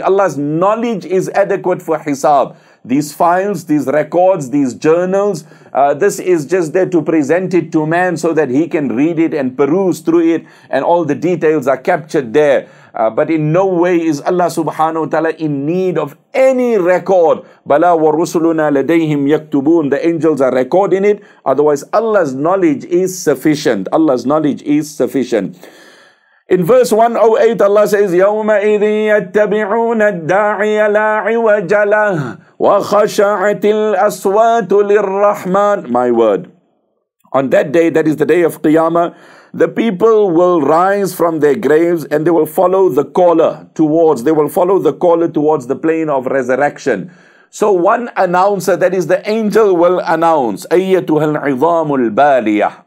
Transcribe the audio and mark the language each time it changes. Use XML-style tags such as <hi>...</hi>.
<en>Allah's knowledge is adequate for hisab. These files, these records, these journals, this is just there to present it to man so that he can read it and peruse through it, and all the details are captured there. But in no way is Allah subhanahu wa ta'ala in need of any record.</en> <ar>Bala wa rusuluna ladayhim yaktubun.</ar> <en>The angels are recording it. Otherwise, Allah's knowledge is sufficient. Allah's knowledge is sufficient. In verse 108, Allah says,</en> <ar>يَوْمَ إِذِي يَتَّبِعُونَ الدَّاعِيَ لَا عِوَجَ لَهُ وَخَشَعَتِ الْأَصْوَاتُ لِلرَّحْمَنِ.</ar> <en>My word. On that day, that is the day of Qiyamah, the people will rise from their graves and they will follow the caller towards, they will follow the caller towards the plane of resurrection. So one announcer, that is the angel, will announce,</en> <ar>أَيَّتُهَا الْعِظَامُ الْبَالِيَةُ.</ar>